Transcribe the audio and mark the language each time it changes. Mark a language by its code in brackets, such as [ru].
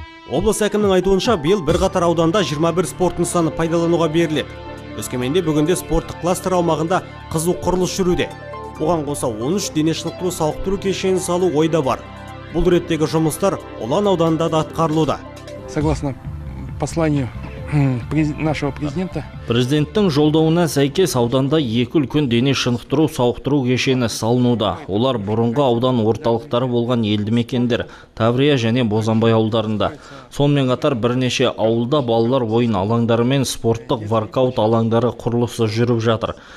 [kk] Облыс әкімінің айтуынша, биыл бірқатар ауданда 21 спорт нысаны пайдалануға беріледі. Өскеменде бүгінде спорттық кластер аумағында қызу құрылыс жүруде. Оған қоса 13 дене шынықтыру сауықтыру кешенін салу ойда бар. Бұл реттегі жұмыстар Ұлан ауданында да атқарылуда. [ru] Согласно посланию нашего президента. [kk] Президенттің жолдауына сәйкес ауданда 2 үлкен дене шынықтыру сауықтыру кешені салынуда. Олар бұрынғы аудан орталықтары болған елді мекендер, Таврия және Бозанбай ауылдарында. Сонымен қатар бірнеше ауылда балалар ойын алаңдары мен спорттық воркаут алаңдары құрылысы жүріп жатыр.